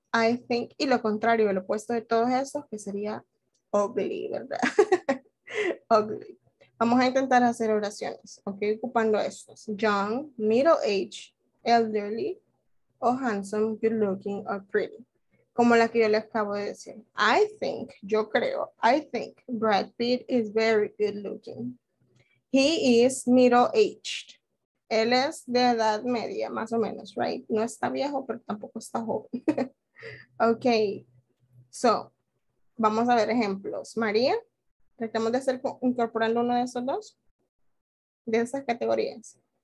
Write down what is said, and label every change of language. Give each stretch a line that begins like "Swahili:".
English: I think,
Spanish: y lo contrario, el opuesto de todos esos, que sería ugly, ¿verdad? Ugly. Vamos a intentar hacer oraciones, ¿ok? Ocupando estos. Young, middle age, elderly, o handsome, good looking, or pretty. Como la que yo les acabo de decir.
English: I think,
Spanish: yo creo,
English: I think Brad Pitt is very good looking. He is middle aged.
Spanish: Él es de edad media, más o menos,
English: right?
Spanish: No está viejo, pero tampoco está joven.
English: Ok, so,
Spanish: vamos a ver ejemplos. María, tratemos de hacer incorporando uno de esos dos, de esas categorías.